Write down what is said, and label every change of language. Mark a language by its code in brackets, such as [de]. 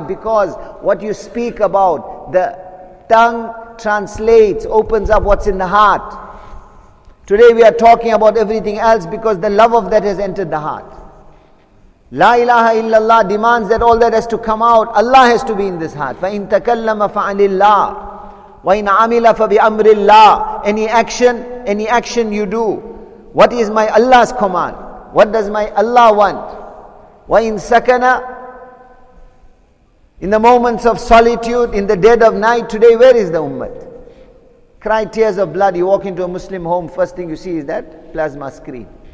[en] Because what you speak about, the tongue translates, opens up what's in the heart. Today we are talking about everything else because the love of that has entered the heart. La ilaha illallah demands that all that has to come out. Allah has to be in this heart. [ar] فَإِن تَكَلَّمَ فَعَلِ اللَّهِ وَإِن عَمِلَ فَبِأَمْرِ اللَّهِ [en] Any action you do. What is my Allah's command? What does my Allah want? [ar] وَإِن سَكَنَ [en] In the moments of solitude, in the dead of night, today where is the ummah? Cry tears of blood. You walk into a Muslim home, first thing you see is that plasma screen.